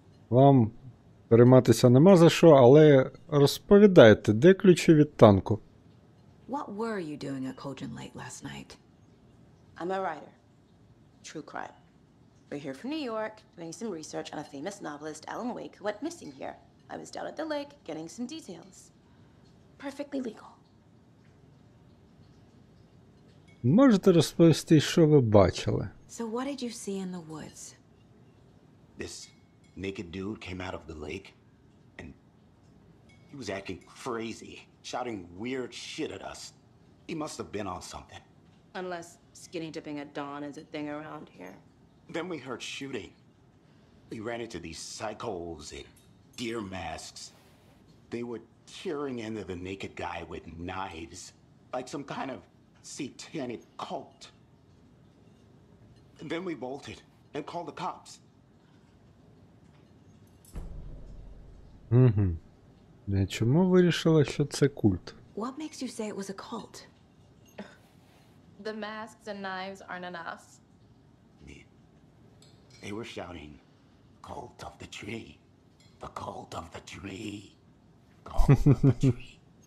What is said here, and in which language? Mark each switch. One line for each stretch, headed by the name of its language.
Ukrainian: Вам перейматися нема за що, але розповідайте, де ключі від танку?
English: What were you doing at Colgin Lake last night? I'm a writer. True crime. We're here from New York, doing some research on a famous novelist, Alan Wake, who went missing here. I was down at the lake, getting some details. Perfectly legal.
Ukrainian: Можете розповісти, що ви бачили?
English: So what did you see in the woods? This naked dude came out of the lake, and he was acting crazy, shouting weird shit at us. He must have been on something. Unless skinny dipping at dawn is a thing around here. Then we heard shooting. We ran into these psychos in deer masks. They were tearing into the naked guy with knives, like some kind of satanic cult. And then we bolted and called the cops. Mm-hmm.
Ukrainian: Я чому вирішила, що це культ?
English: What makes you say it was a cult? The masks and knives aren't enough. They were shouting, cult of the tree, the cult of the tree, cult of the tree.